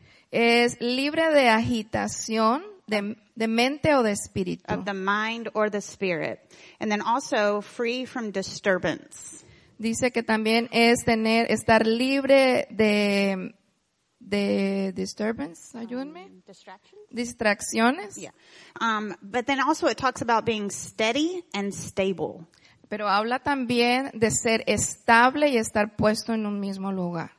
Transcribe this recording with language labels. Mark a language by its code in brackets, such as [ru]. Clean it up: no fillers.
[es] Es libre de agitación de mente o de espíritu. [en] Of the mind or the spirit. And then also free from disturbance. [es] Dice que también es tener, estar libre de disturbance. Ayúdenme. Distracciones. Yeah. [en] But then also it talks about being steady and stable. [es] Pero habla también de ser estable y estar puesto en un mismo lugar.